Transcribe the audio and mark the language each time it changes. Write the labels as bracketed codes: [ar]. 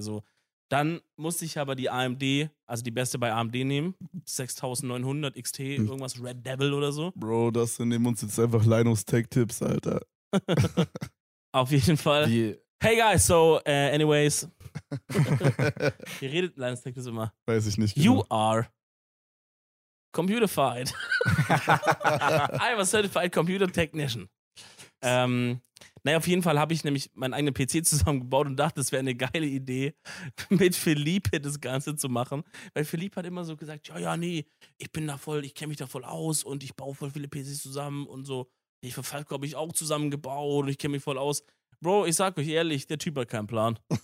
[de] So, dann musste ich aber die AMD, also die beste bei AMD nehmen, 6900 XT, irgendwas Red Devil oder so. Bro, das nehmen uns jetzt einfach Linus Tech Tipps, Alter. Auf jeden Fall. [en] Hey guys, anyways. [de] Ihr redet, Linus Tech ist immer. Weiß ich nicht. Genau. [en] You are. Computerfied. I am a certified computer technician. [de] Naja, auf jeden Fall habe ich nämlich meinen eigenen PC zusammengebaut und dachte, es wäre eine geile Idee, mit Philippe das Ganze zu machen. Weil Philippe hat immer so gesagt, ja, ja, nee, ich bin da voll, ich kenne mich da voll aus und ich baue voll viele PCs zusammen und so. Ich für Falco habe ich auch zusammengebaut und ich kenne mich voll aus. Bro, ich sag euch ehrlich, der Typ hat keinen Plan.